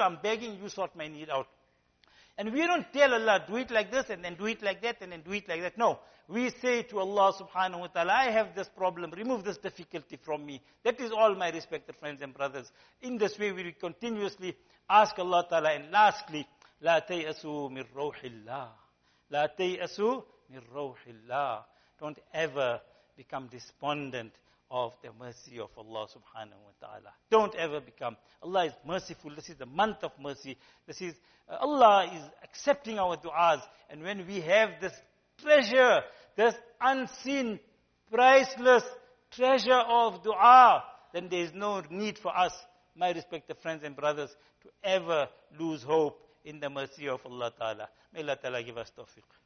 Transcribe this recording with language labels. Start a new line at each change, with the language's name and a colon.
English: I'm begging you sort my need out. And we don't tell Allah, do it like this, and then do it like that, and then do it like that. No. We say to Allah subhanahu wa ta'ala, I have this problem. Remove this difficulty from me. That is all, my respected friends and brothers. In this way, we continuously ask Allah ta'ala.
Arabic: And lastly, لا تيأسوا من روح الله. لا تيأسوا من روح الله.
English: Don't ever become despondent of the mercy of Allah subhanahu wa ta'ala. Don't ever become. Allah is merciful. This is the month of mercy. This is Allah is accepting our du'as. And when we have this treasure, this unseen, priceless treasure of du'a, then there is no need for us, my respected friends and brothers, to ever lose hope in the mercy of Allah ta'ala. May Allah ta'ala give us tawfiq.